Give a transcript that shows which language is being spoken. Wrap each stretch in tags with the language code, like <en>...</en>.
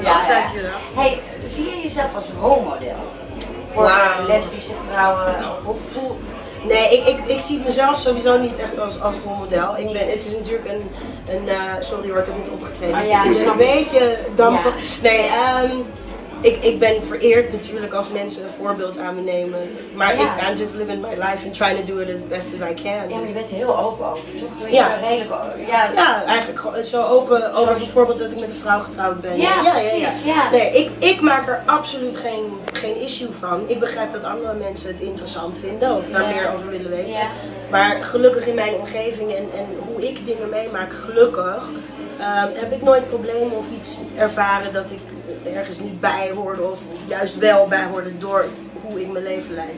<nl>Ja, dankjewel. Hey, zie je jezelf als rolmodel? Voor lesbische vrouwen? Nee, ik zie mezelf sowieso niet echt als rolmodel. Het is natuurlijk sorry hoor, ik heb niet opgetreden. Ah, ja, dus ik ben een beetje dampen. Ja. Nee, ik ben vereerd natuurlijk als mensen een voorbeeld aan me nemen.</nl> <en>Maar I'm just living my life and trying to do it as best as I can.</en> <nl>Ja, maar je bent heel open over. Toch? Eigenlijk zo open over bijvoorbeeld dat ik met een vrouw getrouwd ben. Ja, precies. Ja. Nee, ik maak er absoluut geen issue van. Ik begrijp dat andere mensen het interessant vinden of daar meer over willen weten. Ja. Maar gelukkig in mijn omgeving en hoe ik dingen meemaak, gelukkig, heb ik nooit problemen of iets ervaren dat ik ergens niet bij hoorde of juist wel bij hoorde door hoe ik mijn leven leid.</nl>